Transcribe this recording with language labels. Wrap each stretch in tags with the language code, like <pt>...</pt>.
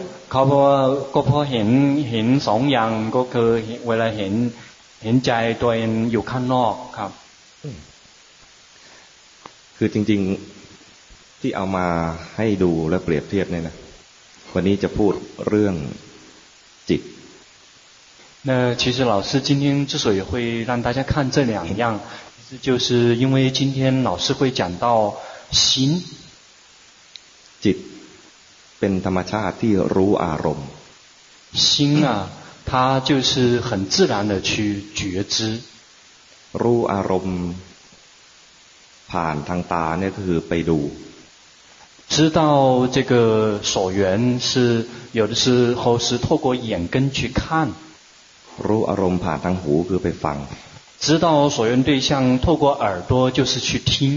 <th>เขาพอเห็นสองอย่างก็คือเวลาเห็นใจตัวเองอยู่ข้างนอกครับ คือจริงๆที่เอามาให้ดูและเปรียบเทียบเนี่ยนะวันนี้จะพูดเรื่องจิต</th> <zh>那其实老师今天之所以会让大家看这两样就是因为今天老师会讲到心</zh> <th>จิตเป็นธรรมชาติที่รู้อารมณ์</th> <zh>心啊它就是很自然的去觉知</zh> <th>รู้อารมณ์ผ่านทางตาเนี่ยคือไปดู</th> <zh>知道这个所缘是有的时候是透过眼根去看</zh> <th>รู้อารมณ์ผ่านทางหูคือไปฟัง</th> <zh>知道所缘对象透过耳朵就是去听</zh>